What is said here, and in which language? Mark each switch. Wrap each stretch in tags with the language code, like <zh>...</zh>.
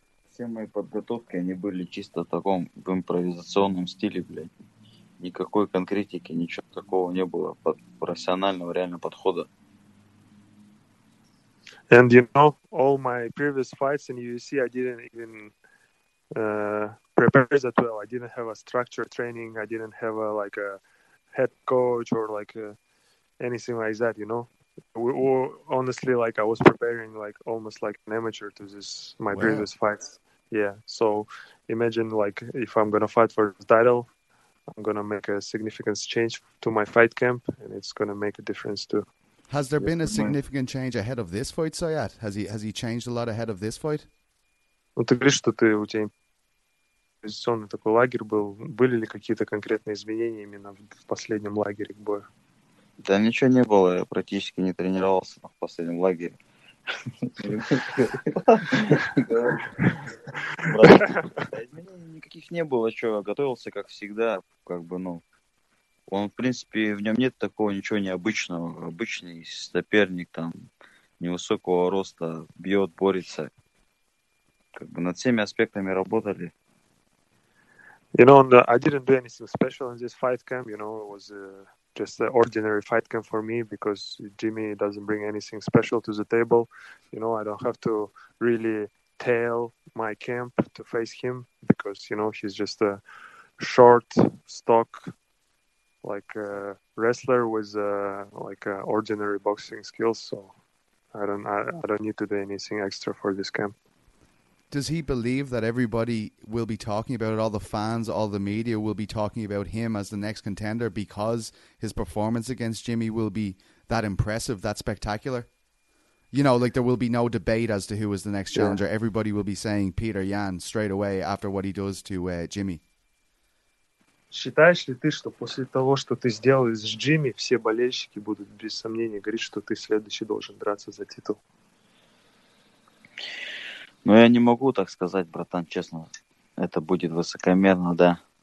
<ru>Все мои подготовки, они были чисто в таком в импровизационном стиле, блядь. Никакой конкретики, ничего такого не было под профессионального реального подхода.</ru> <en>And you know, all my previous fights in UFC, I didn't even prepare that well. I didn't have a structured training. I didn't have a head coach or like anything like that, you know. Honestly, like I was preparing like almost like an amateur to this my wow. previous fights. Yeah. So imagine like if I'm gonna fight for the title, I'm gonna make a significant change to my fight camp, and it's gonna make a difference too. Has there been a significant change ahead of this fight, Sayat? Has he changed a lot ahead of this fight?</en> <ru>Ну, ты говоришь, что у тебя импровизационный такой лагерь был. Были ли какие-то конкретные изменения именно в последнем лагере к бою? Да ничего не было. Я практически не тренировался в последнем лагере. Изменений никаких не было. Я готовился, как всегда. Он, в принципе, в нем нет такого ничего необычного. Обычный соперник, там, невысокого роста, бьет, борется. Над всеми аспектами работали.</ru> <en>You know, I didn't do anything special in this fight camp. You know, it was just an ordinary fight camp for me, because Jimmy doesn't bring anything special to the table. You know, I don't have to really tail my camp to face him, because, you know, he's just a short, stock, like a wrestler with like ordinary boxing skills. So I don't need to do anything extra for this camp. Does he believe that everybody will be talking about it, all the fans, all the media will be talking about him as the next contender, because his performance against Jimmy will be that impressive, that spectacular? You know, like, there will be no debate as to who is the next challenger. Yeah. Everybody will be saying Peter Yan straight away after what he does to Jimmy.</en> <ru>Считаешь ли ты, что после того, что ты сделал с Джимми, все болельщики будут без сомнения говорить, что ты следующий должен драться за титул? Ну, я не могу так сказать, братан, честно. Это будет высокомерно, да.</ru>